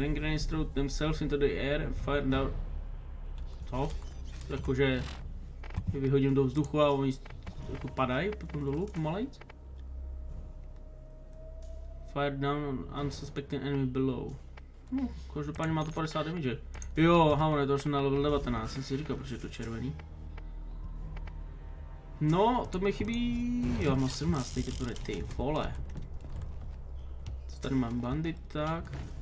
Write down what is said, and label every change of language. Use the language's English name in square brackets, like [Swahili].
[English] Rain grenades throw themselves into the air and fire down. [Czech] Co? Jakože vyhodím do vzduchu a oni jako padají potom dolů pomalejc. [English] Fire down on unsuspecting enemy below. [Czech] No, každopádně má to 50 damage. Jo, hamone, to už jsem na level 19, jsem si říkal, protože je to červený. No, to mi chybí. Jo, mám 17, teď to bude, ty vole. Co tady mám, bandit, tak.